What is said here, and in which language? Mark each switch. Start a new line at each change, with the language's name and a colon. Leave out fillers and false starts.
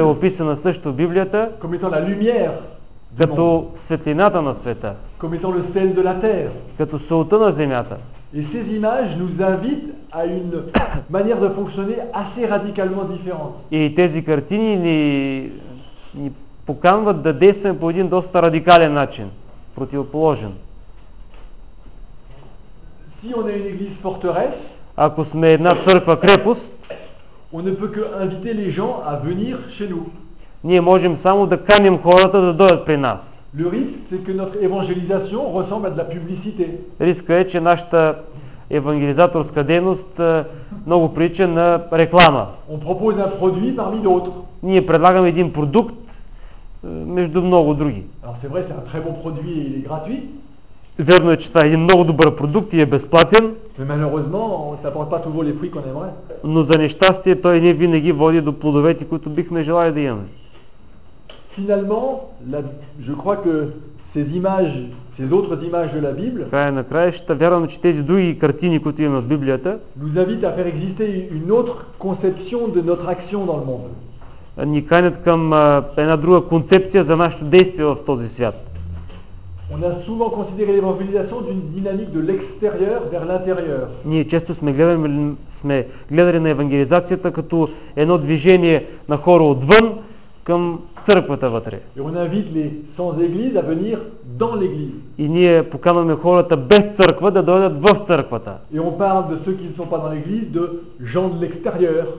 Bulgarian: е описана също в Библията
French: comme étant la lumière
Bulgarian: като светлината на света,
French: comme étant le sel de la terre.
Bulgarian: Като солта на земята.
French: Et ces images nous invitent à une manière de fonctionner assez radicalement différente.
Bulgarian: И тези картини ни поканват да действаме по един доста радикален начин, противоположен.
French: Si on est une église forteresse,
Bulgarian: ако сме една църква крепост,
French: on ne peut que inviter les gens à venir chez nous.
Bulgarian: Ние можем само да каним хората да дойдат при нас.
French: Le risque c'est que notre évangélisation ressemble à de la publicité.
Bulgarian: Риска е, че нашата евангелизаторска дейност много прилича на реклама.
French: On propose un produit parmi d'autres.
Bulgarian: Ние предлагаме един продукт между много други.
French: Alors c'est vrai, c'est un très bon produit et il est gratuit.
Bulgarian: Верно е, че това е един много добър продукт и е безплатен.
French: Mais malheureusement, ça porte pas toujours les fruits qu'on aimerait.
Bulgarian: Но за нещастие той не винаги води до плодовете, които бихме желали да имаме.
French: Finalement, je crois que ces images, ces autres images de la Bible,
Bulgarian: края на краищата, вярвам, че тези други картини, които имаме в Библията,
French: nous invitent à faire exister une autre conception de notre action dans le monde.
Bulgarian: Ни канят към една друга концепция за нашето действие в този свят.
French: On a souvent considéré l'évangélisation d'une dynamique de l'extérieur vers l'intérieur.
Bulgarian: Ние често сме гледали на евангелизацията като едно движение на хора отвън към църквата вътре.
French: Et on invite les sans église à venir dans l'église.
Bulgarian: И ние поканваме хората без църква да дойдат в църквата.
French: Et on parle de ceux qui ne sont pas dans l'église, de gens de l'extérieur.